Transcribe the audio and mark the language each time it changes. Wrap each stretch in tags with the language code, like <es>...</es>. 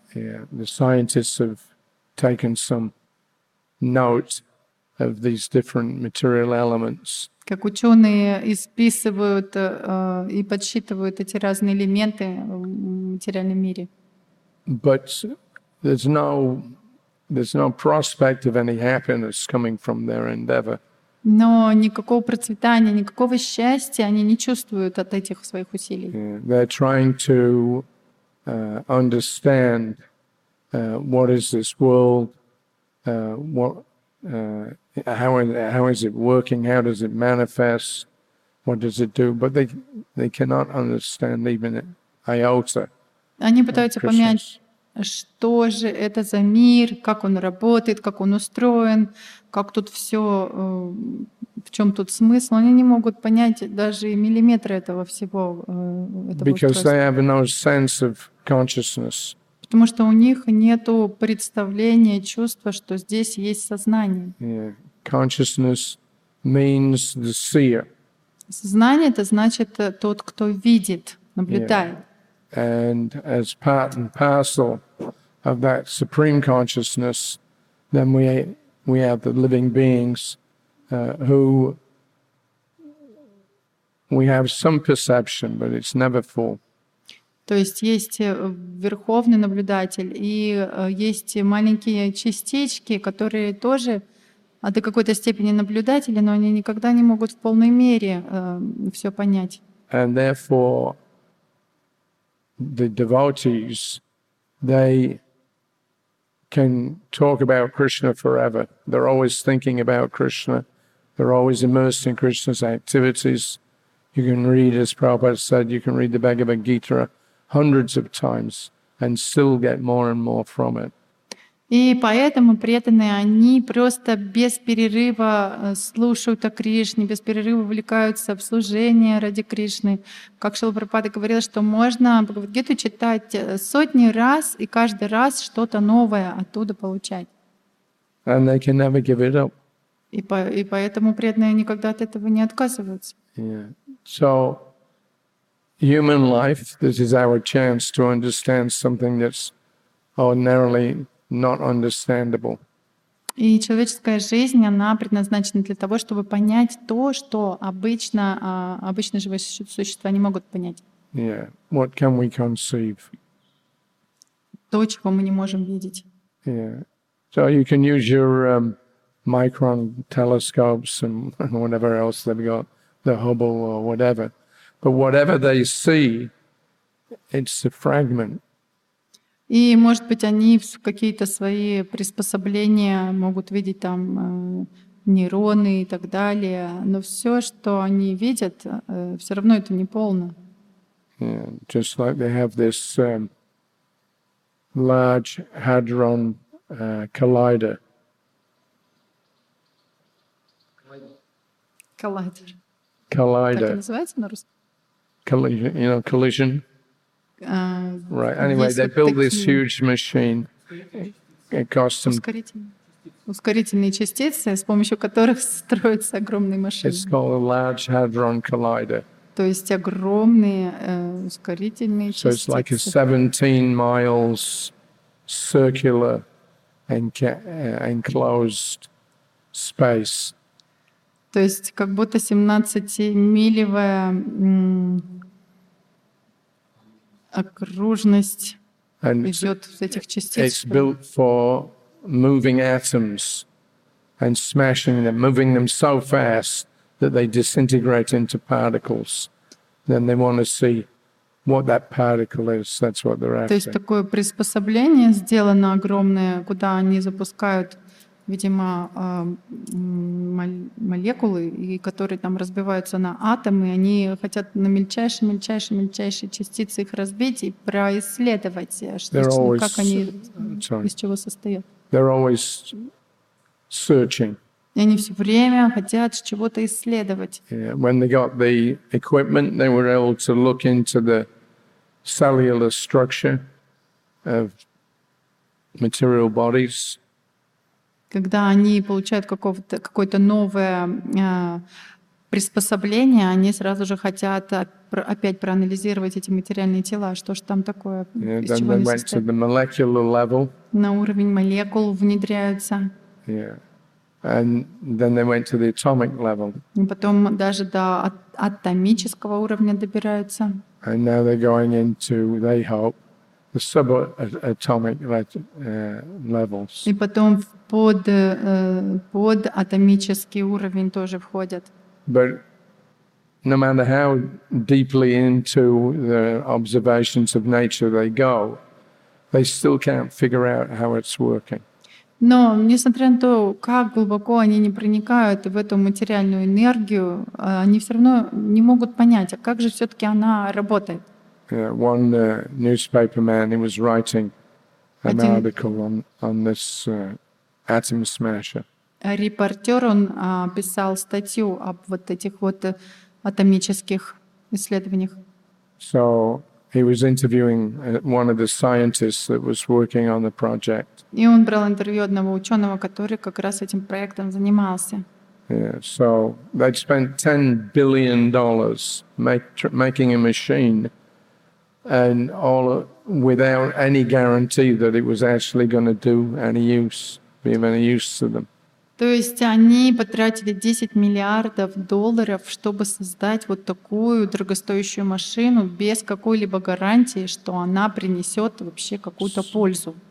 <en>Yeah. The scientists have taken some note of these different material elements.</en> <ru>Как ученые исписывают и подсчитывают эти разные элементы в материальном мире.</ru> <en>But there's no... There's no prospect of any happiness coming from their endeavor.</en> <ru>Но никакого процветания, никакого счастья они не чувствуют от этих своих усилий.</ru> <en>Yeah, they're trying to understand what is this world, how is it working, how does it manifest, what does it do, but they cannot understand even iota.</en> <ru>Они пытаются понять, что же это за мир, как он работает, как он устроен, как тут все, в чем тут смысл. Они не могут понять даже миллиметра этого всего.</ru> <en>Because they have no sense of consciousness.</en> <ru>Потому что у них нет представления, чувства, что здесь есть сознание.</ru> <en>Yeah. Consciousness means the seer.</en> <ru>Сознание — это значит тот, кто видит, наблюдает.</ru> <en>Yeah. And as part and parcel of that supreme consciousness, then we have the living beings who we have some perception, but it's never full.</en> <ru>То есть есть верховный наблюдатель и есть маленькие частички, которые тоже до какой-то степени наблюдатели, но они никогда не могут в полной мере все понять.</ru> <en>And therefore, the devotees, they can talk about Krishna forever. They're always thinking about Krishna. They're always immersed in Krishna's activities. You can read, as Prabhupada said, you can read the Bhagavad Gita hundreds of times and still get more and more from it.</en> <ru>И поэтому преданные, они просто без перерыва слушают о Кришне, без перерыва увлекаются в служение ради Кришны. Как Шрила Прабхупада говорил, что можно Бхагавад-гиту читать сотни раз и каждый раз что-то новое оттуда получать.</ru> <en>And they can never give it up.</en> <ru>И поэтому преданные никогда от этого не отказываются.</ru> <en>Yeah. So, human life, this is our chance to understand something that's ordinarily not understandable.</en> <ru>И человеческая жизнь, она предназначена для того, чтобы понять то, что обычно обычные живые существа не могут понять.</ru> <en>Yeah. What can we conceive?</en> <ru>То, чего мы не можем видеть.</ru> <en>Yeah. So you can use your micron telescopes and whatever else they've got, the Hubble or whatever. But whatever they see, it's a fragment.</en> <ru>И, может быть, они какие-то свои приспособления могут видеть там нейроны и так далее, но все, что они видят, все равно это не полно.</ru> <en>Yeah, just like they have this large hadron collider. Collider. Collider.</en> <ru>Как это называется на русском?</ru> <en>Collision, you know, collision. Right. Anyway, they built this huge machine. It cost them.</en> <ru>Ускорительные частицы, с помощью которых строятся огромные машины.</ru> <en>It's called a large hadron collider.</en> <ru>То есть огромные ускорительные частицы.</ru> <en>So it's like a 17 miles circular enclosed space.</en> <ru>То есть как будто 17-милевая окружность идет в этих частицах.</ru> <en>It's built for moving atoms and smashing them, moving them so fast that they disintegrate into particles. Then they want to see what that particle is. That's what they're after.</en> <ru>То есть такое приспособление сделано огромное, куда они запускают, видимо, молекулы, и которые там разбиваются на атомы, они хотят на мельчайшие частицы их разбить и происследовать, как они, из чего состоят.</ru> <en>They're always searching.</en> <ru>И они все время хотят чего-то исследовать.</ru> <en>Yeah. When they got the equipment, they were able to look into the cellular structure of material bodies.</en> <ru>Когда они получают какое-то новое приспособление, они сразу же хотят опять проанализировать эти материальные тела, что же там такое,</ru> <en>yeah,</en> <ru>из чего они состоят.</ru> <en>To the molecular level.</en> <ru>На уровень молекул внедряются.</ru> <en>Yeah. And then they went to the atomic level.</en> <ru>И потом даже до атомического уровня добираются.</ru> <en>And now they're going into, they hope, the subatomic levels.</en> <ru>И потом под атомический уровень тоже входят.</ru> <en>But no matter how deeply into the observations of nature they go, they still can't figure out how it's working.</en> <ru>Но несмотря на то, как глубоко они не проникают в эту материальную энергию, они все равно не могут понять, а как же все-таки она работает.</ru> <en>Yeah, one newspaper man, he was writing an article on this atom smasher.</en> <ru>Репортер, он писал статью об вот этих вот атомических исследованиях.</ru> <en>So he was interviewing one of the scientists that was working on the project.</en> <ru>И он брал интервью одного ученого, который как раз этим проектом занимался.</ru> <en>Yeah, so they spent $10 billion making a machine, and all without any guarantee that it was actually going to do any use.</en> <ru>То есть они потратили 10 миллиардов долларов, чтобы создать вот такую дорогостоящую машину без какой-либо гарантии, что она принесет вообще какую-то пользу.</ru>